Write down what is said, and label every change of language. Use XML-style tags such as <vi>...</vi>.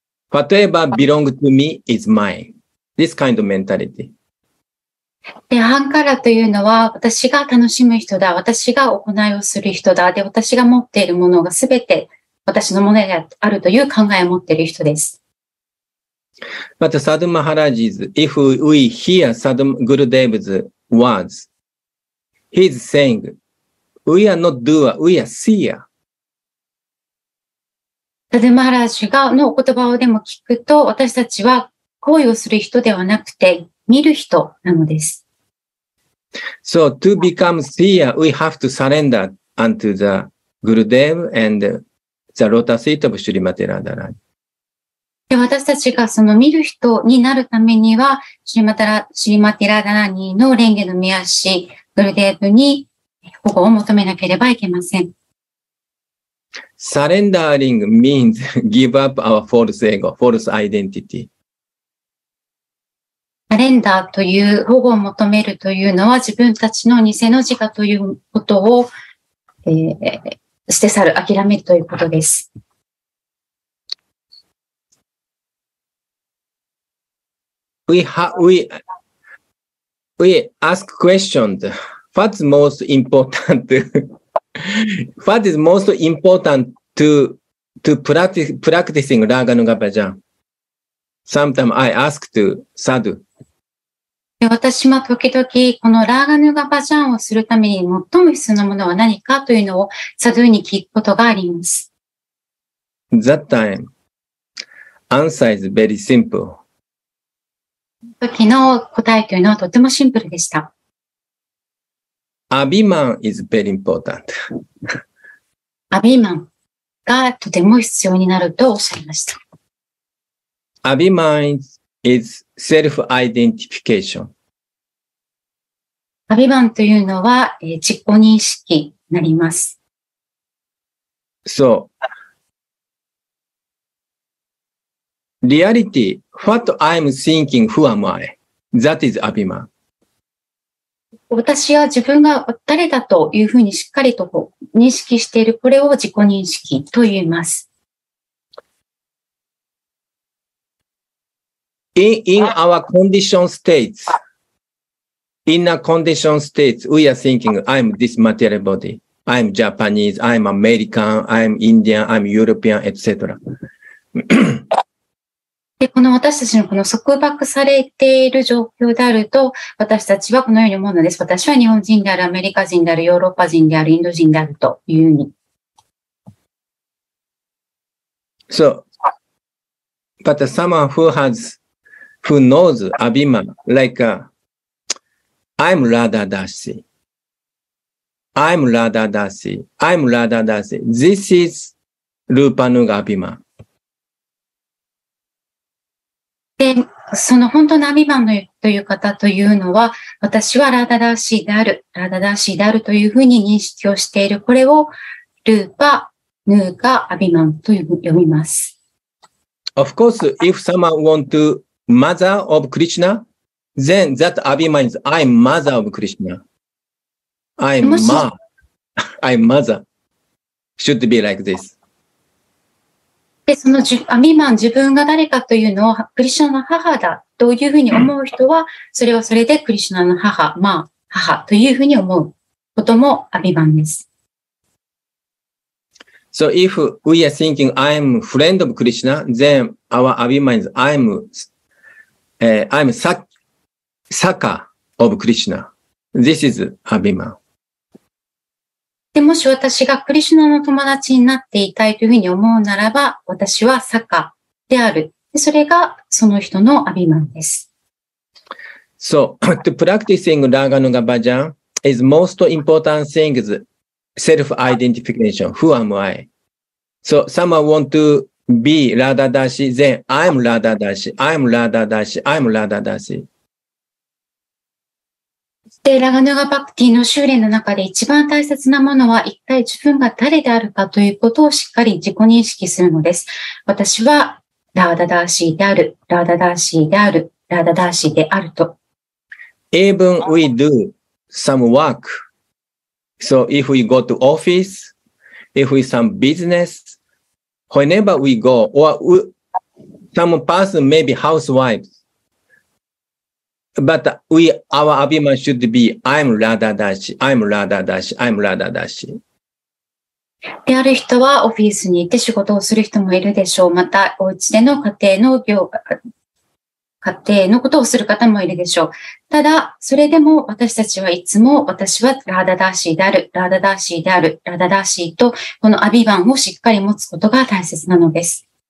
<en>Whatever belongs to me is mine. This kind of mentality.</en> <ja>で、ハンカラというのは、私が楽しむ人だ、私が行いをする人だ、で、私が持っているものがすべて私のものであるという考えを持っている人です。</ja> <en>But Sadhu Maharaj is, if we hear Sadhu Gurudev's words, he is saying, we are not doer, we are seer.</en> <ja>Sadhu Maharaj がの言葉をでも聞くと、私たちは行為をする人ではなくて、見る人なのです。</ja> <en>So, to become seer, we have to surrender unto the Gurudev and the lotus feet of Srimati Radharani.</en> <ja>私たちがその見る人になるためには、Srimati Radharaniの蓮華の御足、Gurudevに保護を求めなければいけません。</ja> <en>Surrendering means give up our false ego, false identity.</en> <ja>サレンダーという保護を求めるというのは自分たちの偽の自我ということを、捨て去る、諦めるということです。</ja> <en>We ask questions. What's most important? What is most important to practicing Raga Nugapajan? Sometimes I ask to Sadhu.</en> <ja>私も時々このラーガヌガバジャンをするために最も必要なものは何かというのをサドゥに聞くことがあります。</ja> <en>That time, answer is very simple.</en> <ja>時の答えというのはとてもシンプルでした。</ja> <en>アビマン is very important.</en> <ja>アビマンがとても必要になるとおっしゃいました。</ja> <en>アビマン is self-identification.</en> <ja>アビマンというのは、自己認識になります。</ja> <en>So, reality, what I'm thinking, who am I? That is アビマン。</en> <ja>私は自分が誰だというふうにしっかりと認識している、これを自己認識と言います。</ja> <en>In our condition states,In a condition state, we are thinking, I'm this material body. I'm Japanese, I'm American, I'm Indian, I'm European, etc.</en> <ja>で、この私たちのこの束縛されている状況であると、私たちはこのように思うのです。私は日本人である、アメリカ人である、ヨーロッパ人である、インド人であるというふうに。</ja> <en>So, but someone who knows Abhima, like aI'm Radha Dasi. I'm Radha Dasi. I'm Radha Dasi. This is Rupa Nuga Abhima.</en> <ja>で、その本当のアビマンという方というのは、私はRadha Dasiである、Radha Dasiであるというふうに認識をしている。これをRupa Nuga Abhimanというふうに呼びます。</ja> <en>Of course, if someone wants to mother of Krishna,Then that Abhima is I'm mother of Krishna. I'm mother. Should be like this.</en> <ja>で、そのアビマン、自分が誰かというのをクリシュナの母だというふうに思う人は、それはそれでクリシュナの母、まあ母というふうに思うこともアビマンです。</ja> <en>So if we are thinking I'm friend of Krishna, then our Abhima is I'm SakyaSaka of Krishna. This is Abhiman.</en> <ja>でもし私がクリシュナの友達になっていたいというふうに思うならば、私はサカである。それがその人のアビマンです。</ja> <en>So, to practicing Raga Nuga Bhajan is most important thing is self-identification. Who am I? So, someone want to be Radha Dasi, then I'm Radha Dasi, I'm Radha Dasi, I'm Radha Dasi.</en> <ja>で、ラガヌガバクティの修練の中で一番大切なものは、一体自分が誰であるかということをしっかり自己認識するのです。私はラーダダーシーである、ラーダダーシーである、ラーダダーシーであると。</ja> <en>Even we do some work, so if we go to office, if we some business, whenever we go, some person may be housewives. But our abhimana should be, I'm Radha Dashi, I'm Radha Dashi, I'm Radha Dashi.</en> <ja>である人はオフィスに行って仕事をする人もいるでしょう。また、お家での家庭のことをする方もいるでしょう。ただ、それでも私たちはいつも、私はRadha Dashiである、Radha Dashiである、Radha Dashiと、このアビバンをしっかり持つことが大切なのです。</ja>